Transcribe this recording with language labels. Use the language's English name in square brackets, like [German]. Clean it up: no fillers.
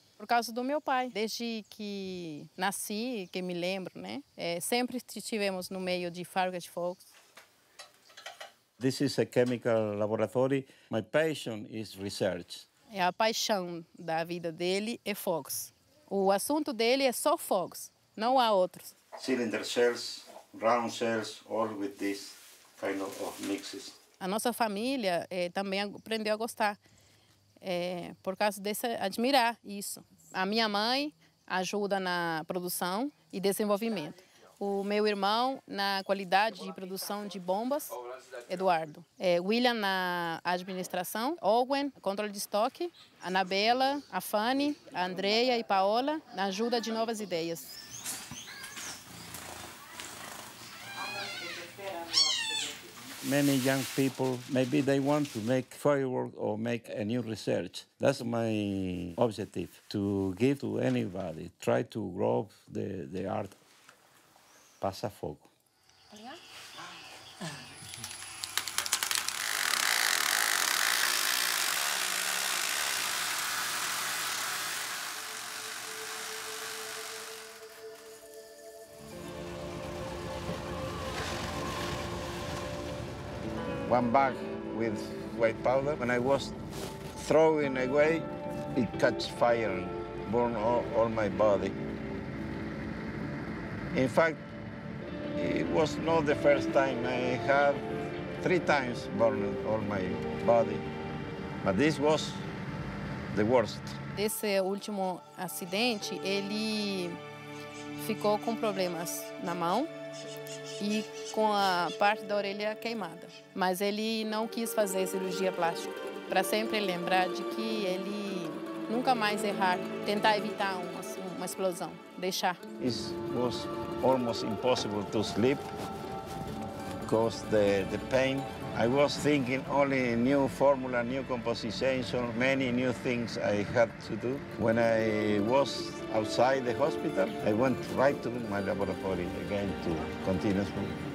[Portuguese] Por causa do meu pai, desde que nasci, que me lembro, né? Sempre estivemos no meio de fábrica de fogos. [English] This is a chemical laboratory. My passion is research. [Portuguese] É a paixão da vida dele é fogos. O assunto dele é só fogos, não há outros. [English] Cylinder cells, round cells, all with this kind of mixes. [Portuguese] A nossa família também aprendeu a gostar por causa desse admirar isso. A minha mãe ajuda na produção e desenvolvimento. O meu irmão na qualidade de produção de bombas, Eduardo. William na administração, Owen, controle de estoque, Anabela, Afani, Andrea e Paola na ajuda de novas ideias. [English] Many young people, maybe they want to make firework or make a new research. That's my objective, to give to anybody, try to grow the art. [Portuguese] Passa fogo. [English] One bag with white powder, when I was throwing away, it catch fire, burn all my body. In fact, it was not the first time. I had 3 times burned all my body, but this was the worst. [Portuguese] Esse último acidente, ele ficou com problemas na mão e com a parte da orelha queimada. Mas ele não quis fazer cirurgia plástica, para sempre lembrar de que ele nunca mais errar, tentar evitar uma explosão, deixar. [English] It was almost impossible to sleep because the pain. I was thinking only new formula, new composition, many new things I had to do. When I was outside the hospital, I went right to my laboratory again to continue smoking.